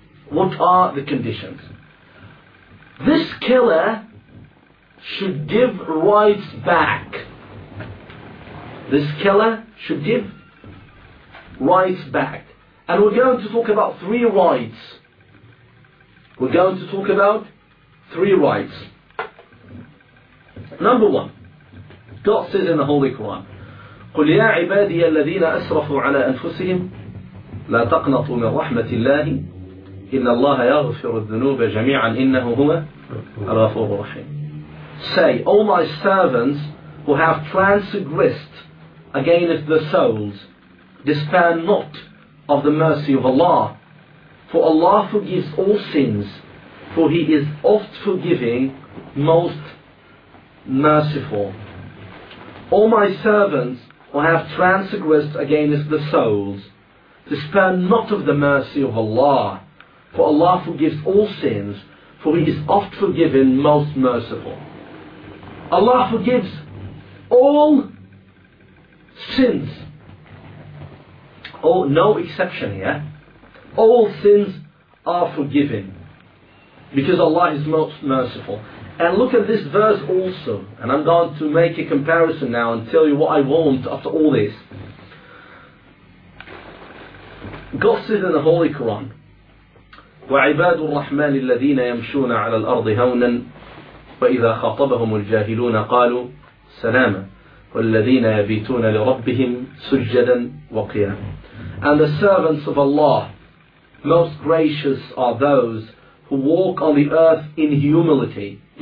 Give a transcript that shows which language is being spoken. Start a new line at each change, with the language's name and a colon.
English: What are the conditions? This killer should give rights back. This killer should give rights back. And we're going to talk about three rights. We're going to talk about three rights. Number one, God says in the Holy Quran,
Arabic: قُلْ يَا عِبَادِيَ الَّذِينَ أَسْرَفُوا عَلَىٰ أَنفُسِهِمْ لَا تَقْنَطُوا مِنْ رَحْمَةِ اللَّهِ إِنَّ اللَّهَ يَغْفِرُ الذُّنُوبَ جَمِيعًا إِنَّهُ هُوَ الْغَفُورُ الرَّحِيمُ.
English: Say, O my servants who have transgressed against the souls, despair not of the mercy of Allah. For Allah forgives all sins, for He is oft forgiving, most merciful. All my servants who have transgressed against the souls, despair not of the mercy of Allah, For Allah forgives all sins, for He is oft forgiven, most merciful. Allah forgives all sins. Oh, no exception here. All sins are forgiven because Allah is most merciful. And look at this verse also. And I'm going to make a comparison now and tell you what I want after all this. God says in the Holy Quran,
Arabic: وَعِبَادُ الرَّحْمَنِ الَّذِينَ يَمْشُونَ عَلَى الْأَرْضِ هَوْنًا وَإِذَا خَطَبَهُمُ الْجَاهِلُونَ قَالُوا سَلَامًا وَالَّذِينَ يَبِيتُونَ لِرَبِّهِمْ سُجَّدًا وَقِيَامًا.
English: And the servants of Allah, most gracious are those who walk on the earth in humility.